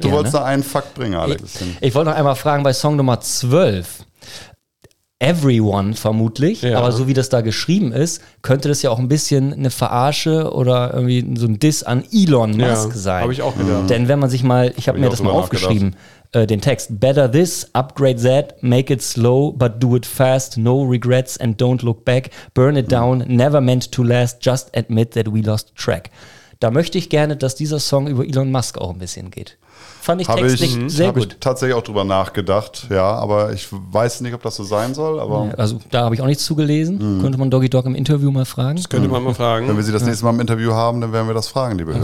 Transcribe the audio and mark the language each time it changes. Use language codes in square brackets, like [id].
[de] gerne. Du wolltest da einen Fakt bringen, Alex. Ich wollte noch einmal fragen bei Song Nummer 12. Everyone vermutlich, aber so wie das da geschrieben ist, könnte das ja auch ein bisschen eine Verarsche oder irgendwie so ein Diss an Elon Musk sein. Habe ich auch gedacht. Denn wenn man sich mal, ich habe mir das mal aufgeschrieben. Den Text. [en] Better this, upgrade that, make it slow, but do it fast, no regrets and don't look back, burn it down, never meant to last, just admit that we lost track. [de] Da möchte ich gerne, dass dieser Song über Elon Musk auch ein bisschen geht. Fand ich textlich sehr gut. Habe ich tatsächlich auch drüber nachgedacht, ja, aber ich weiß nicht, ob das so sein soll. Aber also da habe ich auch nichts zugelesen. Könnte man Doggy Dog im Interview mal fragen? Das könnte man mal fragen. Wenn wir sie das nächste Mal im Interview haben, dann werden wir das fragen, liebe Hörer.